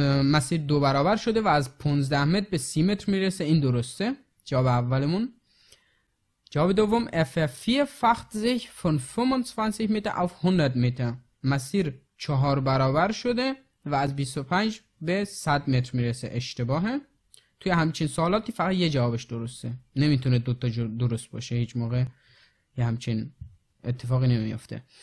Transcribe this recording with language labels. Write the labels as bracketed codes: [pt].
[fa] مسیر دو برابر شده و از 15 متر به 30 متر میرسه. این درسته. جواب اولمون. جواب دوم: [de] Er vervierfacht sich von 25 Meter auf 100 Meter. [fa] مسیر چهار برابر شده و از 25 به 100 متر میرسه. اشتباهه. توی همچین سوالاتی فقط یه جوابش درسته، نمیتونه دوتا درست باشه. هیچ موقع یه همچین اتفاقی نمیفته.